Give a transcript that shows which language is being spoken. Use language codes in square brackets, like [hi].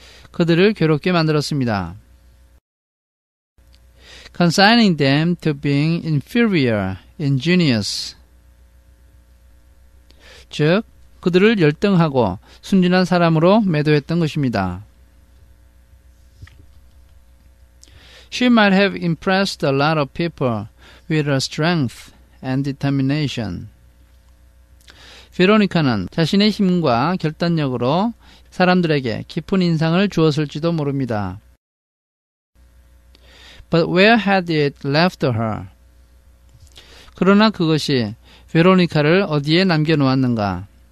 [ko] 그들을 괴롭게 만들었습니다. [en] Consigning them to being inferior in genius. [ko] 즉, 그들을 열등하고 순진한 사람으로 매도했던 것입니다. [en] She might have impressed a lot of people with her strength and determination. [ko] 베로니카는 자신의 힘과 결단력으로 사람들에게 깊은 인상을 주었을지도 모릅니다. [en] But where had it left her? [ko] 그러나 그것이 베로니카를 어디에 남겨놓았는가?